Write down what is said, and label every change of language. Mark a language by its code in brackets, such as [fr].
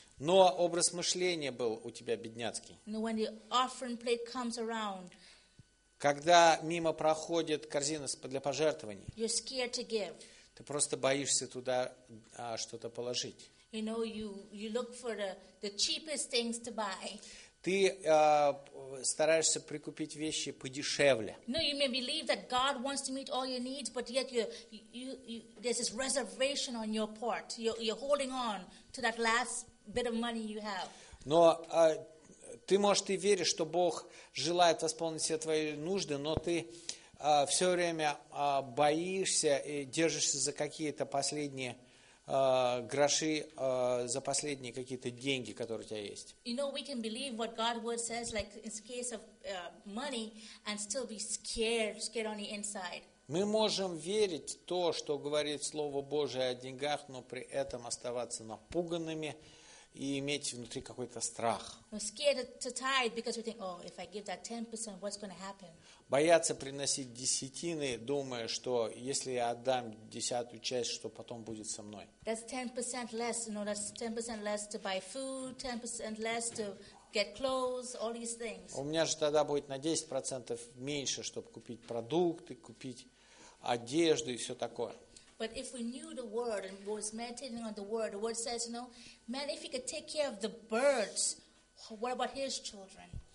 [ru] Но образ мышления был у тебя бедняцкий. [en] You know, when the offering plate comes around, [ru] когда мимо проходит корзина для пожертвований, [en] you're scared to give. [ru] Ты просто боишься туда что-то положить. [en] You know, you look for the cheapest things to buy. [ru] Ты стараешься прикупить вещи подешевле. [en] No, you may believe that God wants to meet all your needs, but yet you there's this reservation on your part. You're holding on to that last bit of money you have. [ru] Но ты, может, и веришь, что Бог желает восполнить все твои нужды, но ты все время боишься и держишься за какие-то последние гроши, за последние какие-то деньги, которые у тебя есть. [en] You know, we can believe what God's word says, like in the case of money, and still be scared on the inside. [ru] Мы можем верить то, что говорит Слово Божие о деньгах, но при этом оставаться напуганными и иметь внутри какой-то страх. [en] We're scared to tithe because we think, oh, if I give that 10%, what's going to happen? [ru] Бояться приносить десятины, думая, что если я отдам десятую часть, что потом будет со мной? [en] That's 10% less, you know, that's 10% less to buy food, 10% less to get clothes, all these things. [ru] У меня же тогда будет на 10% меньше, чтобы купить продукты, купить одежду и все такое. [en] But if we knew the word and was meditating on the word says, you know, man, if he could take care of the birds, what about his children?